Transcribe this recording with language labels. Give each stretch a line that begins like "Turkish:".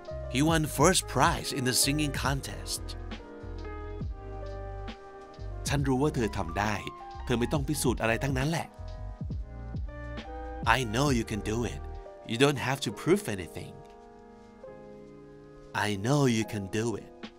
English: He won first prize in the singing contest.
Thai: ฉันรู้ว่าเธอทำได้เธอไม่ต้องพิสูจน์อะไรทั้งนั้นแหละ
English: I know you can do it. You don't have to prove anything. I know you can do it.